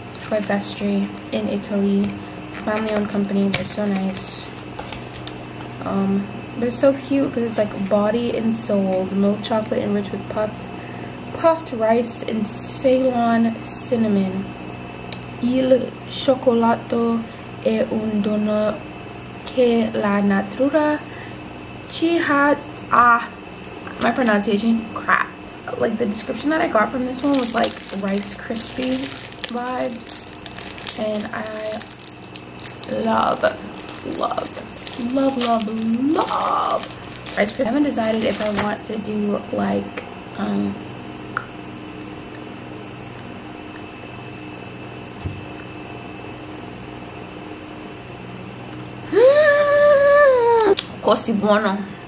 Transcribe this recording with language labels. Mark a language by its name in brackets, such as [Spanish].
[English] my bestie in Italy. It's a family-owned company. They're so nice. But it's so cute because it's like body and soul. The milk chocolate enriched with puffed rice and Ceylon cinnamon. [Italian] Il cioccolato è un dono che la natura ci ha. [English] My pronunciation, crap. Like, the description that I got from this one was like Rice Krispie vibes. And I love, love, love, love, love Rice Krispie. I haven't decided if I want to do like, [Italian] Così buono.